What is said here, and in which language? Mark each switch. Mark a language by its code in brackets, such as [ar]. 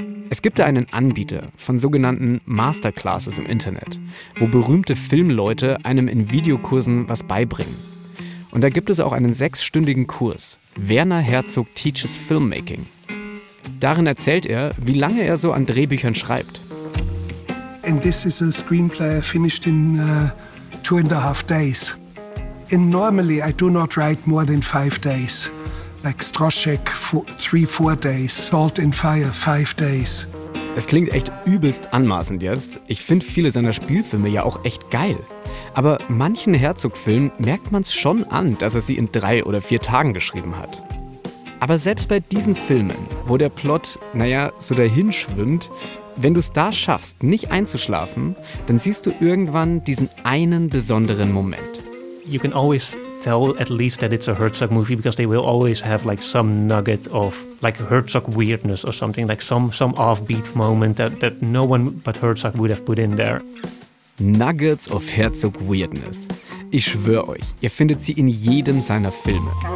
[de] Es gibt da einen Anbieter von sogenannten Masterclasses im Internet, wo berühmte Filmleute einem in Videokursen was beibringen. Und da gibt es auch einen 6-stündigen Kurs, Werner Herzog Teaches Filmmaking. Darin erzählt er, wie lange er so an Drehbüchern schreibt. [en] And this is a screenplay I finished in 2.5 days. And normally I do not write more than 5 days. Like Stroszek, 3-4 days. Salt and Fire, 5 days. [de] Es klingt echt übelst anmaßend jetzt. Ich finde viele seiner Spielfilme ja auch echt geil. Aber manchen Herzog-Filmen merkt man es schon an, dass er sie in 3 oder 4 Tagen geschrieben hat. Aber selbst bei diesen Filmen, wo der Plot, naja, so dahin schwimmt, wenn du es da schaffst, nicht einzuschlafen, dann siehst du irgendwann diesen einen besonderen Moment. [en] You can always tell at least that it's a Herzog movie because they will always have like some nugget of like Herzog weirdness or something, like some offbeat moment that no one but Herzog would have put in there. Nuggets of Herzog weirdness. [de] Ich schwöre euch, ihr findet sie in jedem seiner Filme.